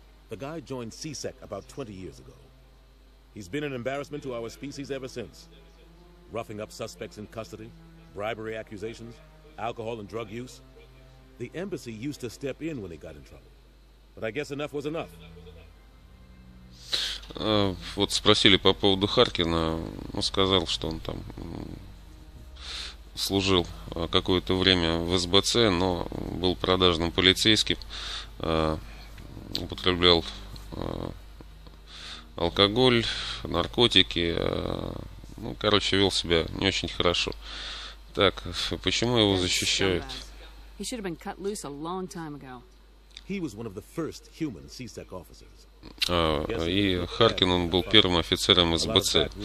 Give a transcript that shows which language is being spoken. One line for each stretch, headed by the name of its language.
English: The guy joined CSEC about 20 years ago. He's been an embarrassment to our species ever since. Roughing up suspects in custody, bribery accusations, alcohol and drug use. The embassy used to step in when he got in trouble. But I guess enough was enough.
Russian: Вот спросили по поводу Харкина. Он сказал, что он там служил какое-то время в СБЦ, но был продажным полицейским, употреблял алкоголь, наркотики. Ну, короче, вел себя не очень хорошо. Так, почему его защищают?
English: He should have been cut loose a long time ago. He was one of the first human CSEC officers.
Russian: И Харкин, он был первым офицером СБЦ.